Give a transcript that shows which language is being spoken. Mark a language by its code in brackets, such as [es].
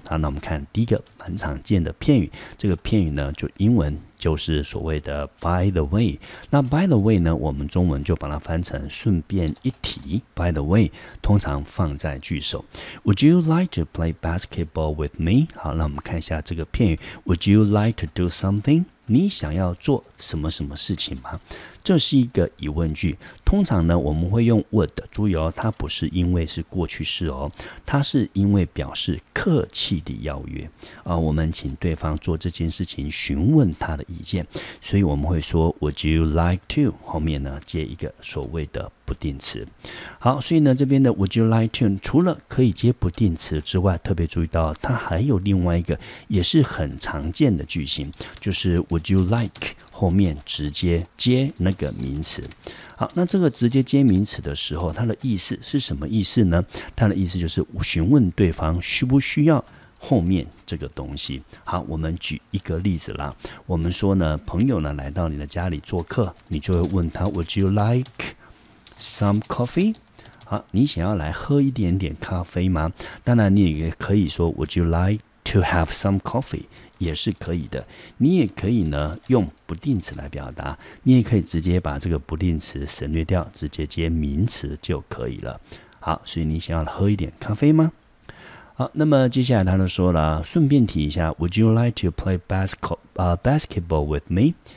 [zh] 好，那我们看第一个蛮常见的片语，这个片语呢就英文就是所谓的 by the way。那 by the way 呢，我们中文就把它翻成顺便一提， by the way 通常放在句首。 [en] Would you like to play basketball with me? [zh] 好，那我们看一下这个片语， [en] Would you like to do something? [zh] 你想要做什么什么事情吗？这是一个疑问句，通常呢我们会用 would， 注意哦，它不是因为是过去式哦，它是因为表示客气的邀约啊，我们请对方做这件事情，询问他的意见，所以我们会说 would you like to， 后面呢接一个所谓的不定词。好，所以呢这边的 would you like to 除了可以接不定词之外，特别注意到它还有另外一个也是很常见的句型，就是 would you like后面直接接那个名词。好，那这个直接接名词的时候，它的意思是什么意思呢？它的意思就是询问对方需不需要后面这个东西。好，我们举一个例子啦，我们说呢朋友呢来到你的家里做客，你就会问他 [en] Would you like some coffee? [zh] 好，你想要来喝一点点咖啡吗？当然你也可以说 [en] Would you like to have some coffee? [zh] 也是可以的，你也可以呢用不定词来表达，你也可以直接把这个不定词省略掉，直接接名词就可以了。好，所以你想要喝一点咖啡吗？好，那么接下来他就说了，顺便提一下 [en] Would you like to play basketball with me?